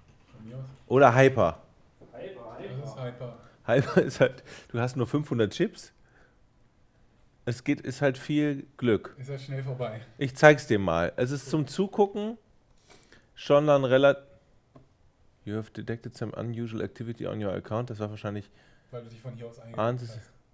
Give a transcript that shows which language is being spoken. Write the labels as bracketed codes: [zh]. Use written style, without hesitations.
[de] Von mir. Oder Hyper? Hyper. Das ist Hyper. Hyper ist halt, du hast nur 500 Chips? Es geht, ist halt viel Glück. Ist ja schnell vorbei. Ich zeig's dir mal. Es ist zum Zugucken schon dann relativ. [en] You have detected some unusual activity on your account. [de] Das war wahrscheinlich. Weil du dich von hier aus eingeloggt hast.